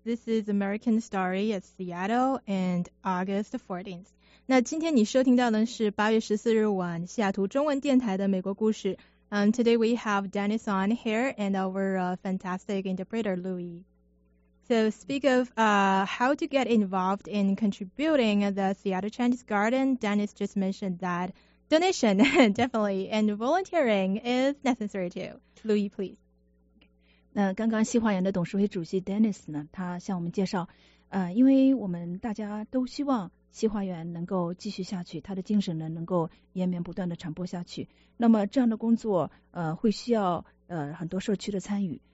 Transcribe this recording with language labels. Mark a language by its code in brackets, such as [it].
[en] This is American Story at Seattle and August 14th. [zh] 那今天你收听到的是8月14日晚西雅图中文电台的美国故事。 [en] Today we have Dennis on here and our fantastic interpreter Louis. So speak of how to get involved in contributing the Seattle Chinese Garden. Dennis just mentioned that donation, definitely, and volunteering is necessary too. Louis, please. [zh] 那刚刚西花园的董事会主席 Dennis 呢，他向我们介绍，因为我们大家都希望西花园能够继续下去，他的精神呢能够延绵不断的传播下去。那么这样的工作，会需要很多社区的参与。